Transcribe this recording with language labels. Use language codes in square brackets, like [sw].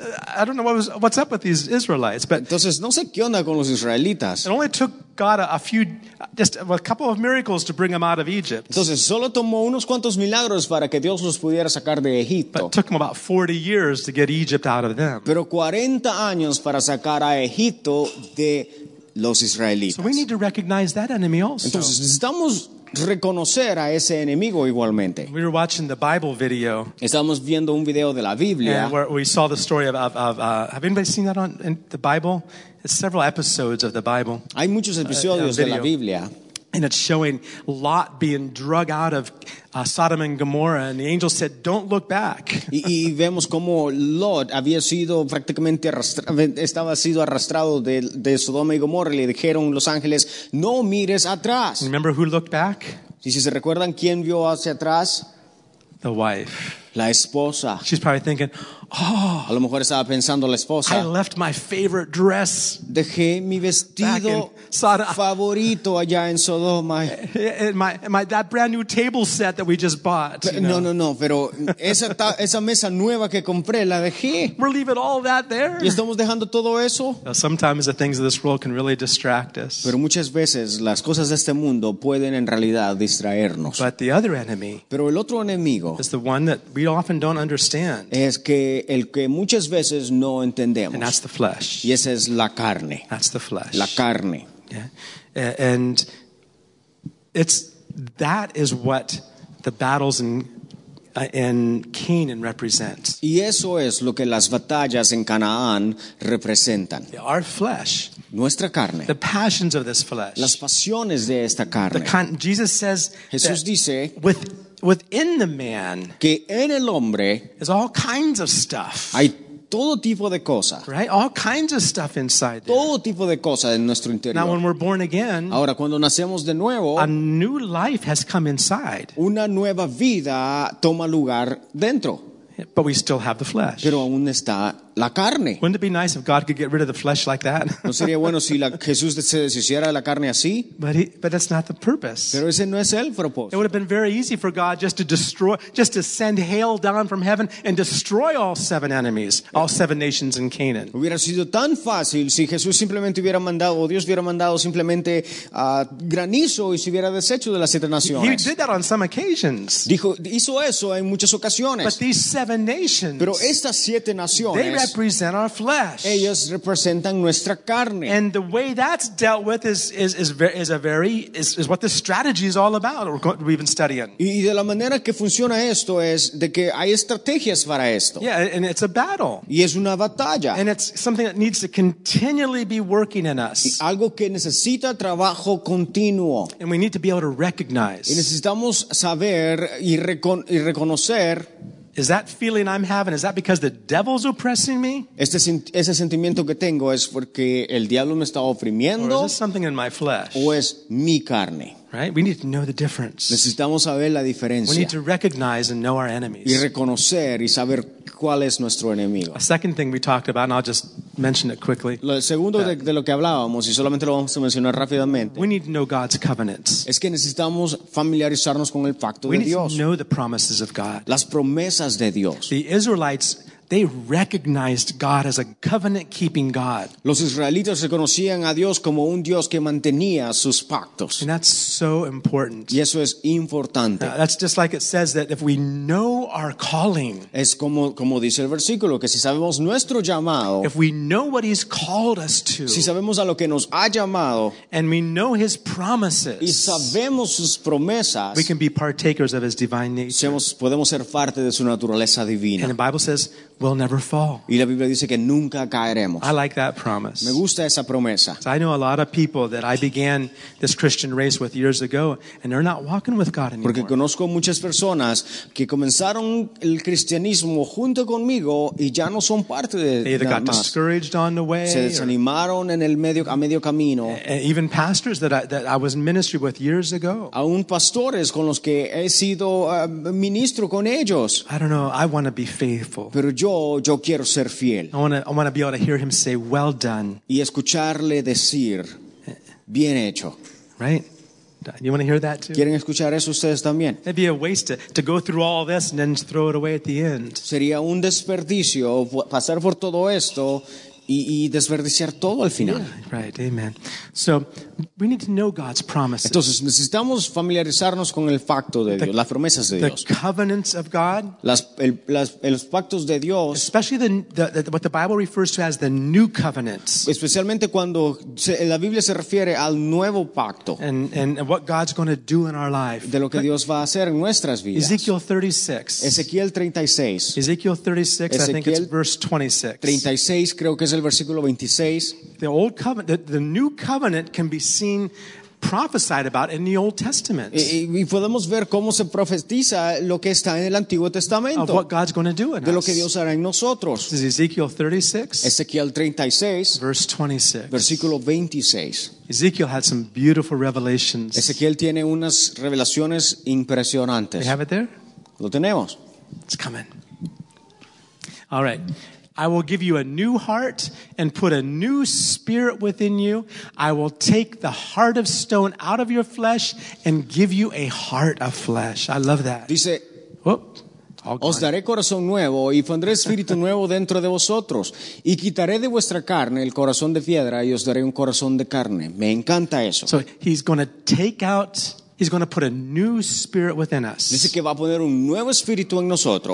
[en] I don't know what's up with these Israelites, but [es] entonces no sé qué onda con los israelitas. [en] It only took God a couple of miracles to bring them out of Egypt. [es] Entonces solo tomó unos cuantos milagros para que Dios los pudiera sacar de Egipto. [en] But it took them about 40 years to get Egypt out of them. [es] Pero 40 años para sacar a Egipto de los israelitas. [en] So we need to recognize that enemy also. [es] Entonces necesitamos reconocer a ese enemigo igualmente. [en] We were watching the Bible video. [es] Estamos viendo un video de la Biblia. [en] And where we saw the story of have anybody seen that in the Bible? It's several episodes of the Bible. [es] Hay muchos episodios de la Biblia. [en] And it's showing Lot being drug out of Sodom and Gomorrah, and the angel said, "Don't look back." [es] Y vemos cómo Lot había sido prácticamente arrastrado de Sodoma y Gomorra. Le dijeron los ángeles, "No mires atrás." [en] Remember who looked back? [es] Si se recuerdan quién vio hacia atrás? [en] The wife. [es] La esposa. [en] She's probably thinking, "Oh." [es] A lo mejor estaba pensando la esposa. [en] I left my favorite dress. [es] Dejé mi vestido favorito allá en Sodoma. [en] My that brand new table set that we just bought. [es] No, pero esa mesa nueva que compré la dejé. [en] We're leaving all that there. [es] Y estamos dejando todo eso. [en] Now, sometimes the things of this world can really distract us. [es] Pero muchas veces las cosas de este mundo pueden en realidad distraernos. [en] But the other enemy. [es] Pero el otro enemigo [en] is the one that we often don't understand. [es] Es que el que muchas veces no entendemos. [en] And that's the flesh. [es] Y esa es la carne. [en] That's the flesh. [es] La carne. [en] Yeah. And it's that is what the battles and and Canaan represent. [es] Y eso es lo que las batallas en Canaán representan. [en] Our flesh. [es] Nuestra carne. [en] The passions of this flesh. [es] Las pasiones de esta carne. [en] Jesus says. [es] Jesús dice. [en] Within the man. [es] Que en el hombre. [en] Is all kinds of stuff. [es] Hay todo tipo de cosas. [en] Right? All kinds of stuff inside [es] todo [en] there. [es] Todo tipo de cosas en nuestro interior. [en] Now when we're born again. [es] Ahora cuando nacemos de nuevo. [en] A new life has come inside. [es] Una nueva vida toma lugar dentro. [en] But we still have the flesh. [es] Pero aún está la carne. [en] Wouldn't it be nice if God could get rid of the flesh like that? [es] ¿No sería bueno si Jesús se deshiciera de la carne así? [en] But that's not the purpose. [es] Pero ese no es el propósito. [en] It would have been very easy for God just to send hail down from heaven and destroy all seven enemies, all seven nations in Canaan. [es] Hubiera sido tan fácil si Jesús simplemente hubiera mandado, o Dios hubiera mandado simplemente granizo y se hubiera deshecho de las siete naciones. [en] He did that on some occasions. [es] Hizo eso en muchas ocasiones. [en] But these seven nations. [es] Pero estas siete naciones. [en] They represent our flesh. [es] Ellos representan nuestra carne. [en] And the way that's dealt with is what the strategy is all about. Or what we've been studying. [es] Y de la manera que funciona esto es de que hay estrategias para esto. [en] Yeah, and it's a battle. [es] Y es una batalla. [en] And it's something that needs to continually be working in us. [es] Y algo que necesita trabajo continuo. [en] And we need to be able to recognize. [es] Y necesitamos saber y reconocer. [en] Is that feeling I'm having, is that because the devil's oppressing me? [es] Ese sentimiento que tengo es porque el diablo me está oprimiendo. [en] Or is it something in my flesh? [es] O es mi carne. [en] Right? We need to know the difference. [es] Necesitamos saber la diferencia. [en] We need to recognize and know our enemies. [es] Y reconocer y saber cuál es nuestro enemigo. [en] A second thing we talked about, and I'll just mention it quickly. [es] Lo segundo de lo que hablábamos y solamente lo vamos a mencionar rápidamente. [en] We need to know God's covenants. [es] Es que necesitamos familiarizarnos con el pacto [en] we [es] de Dios. [en] We need to know the promises of God. [es] Las promesas de Dios. [en] The Israelites. They recognized God as a covenant-keeping God. [es] Los israelitas reconocían a Dios como un Dios que mantenía sus pactos. [en] And that's so important. [es] Y eso es importante. [en] That's just like it says that if we know our calling. [es] Es como dice el versículo, que si sabemos nuestro llamado. [en] If we know what he's called us to. [es] Si sabemos a lo que nos ha llamado. [en] And we know his promises. [es] Y sabemos sus promesas. [en] We can be partakers of his divine nature. [es] Podemos ser parte de su naturaleza divina. [en] And the Bible says, we'll never fall. [es] Y la Biblia dice que nunca caeremos. [en] I like that promise. [es] Me gusta esa promesa. [en] So I know a lot of people that I began this Christian race with years ago, and they're not walking with God anymore. [es] Porque conozco muchas personas que comenzaron el cristianismo junto conmigo y ya no son parte de nada más. [en] They got discouraged on the way. [es] Se desanimaron en el medio a medio camino. [en] Even pastors that I was in ministry with years ago. [es] Aún pastores con los que he sido ministro con ellos. [en] I don't know. I want to be faithful. [es] Pero yo quiero ser fiel. [en] I want to be able to hear him say, "Well done." [es] Y escucharle decir, bien hecho. [en] Right? You want to hear that too? [es] ¿Quieren escuchar eso ustedes también? [en] It'd be a waste to go through all this and then throw it away at the end. [es] Sería un desperdicio pasar por todo esto y desperdiciar todo al final. [en] Yeah, right, amen. So, we need to know God's promises. [es] Entonces, necesitamos familiarizarnos con el pacto de Dios, las promesas de Dios. [en] The covenants of God. [es] Los pactos de Dios. [en] Especially the what the Bible refers to as the new covenants. [es] Especialmente cuando la Biblia se refiere al nuevo pacto. [en] And what God's going to do in our life. [es] De lo que Dios va a hacer en nuestras vidas. [en] Ezequiel 36. Ezequiel 36, I think it's verse 26. [es] 36, creo que es el versículo 26. [en] The old covenant, the new covenant can be seen prophesied about in the Old Testament. [es] Y podemos ver cómo se profetiza lo que está en el Antiguo Testamento. [en] Of what God's going to do in us. [es] De lo que Dios hará en nosotros. [en] This is Ezekiel 36. [es] Ezequiel 36. [en] Verse 26. [es] Versículo 26. [en] Ezekiel had some beautiful revelations. [es] Ezequiel tiene unas revelaciones impresionantes. [en] We have it there. [es] Lo tenemos. [en] It's coming. All right. I will give you a new heart and put a new spirit within you. I will take the heart of stone out of your flesh and give you a heart of flesh. I love that. [es] Dice, os daré corazón nuevo y pondré espíritu nuevo dentro de vosotros y quitaré de vuestra carne el corazón de piedra y os daré un corazón de carne. Me encanta eso. [en] So he's going to take out He's going to put a new spirit within us. [es] Dice que va a poner un nuevo espíritu en nosotros.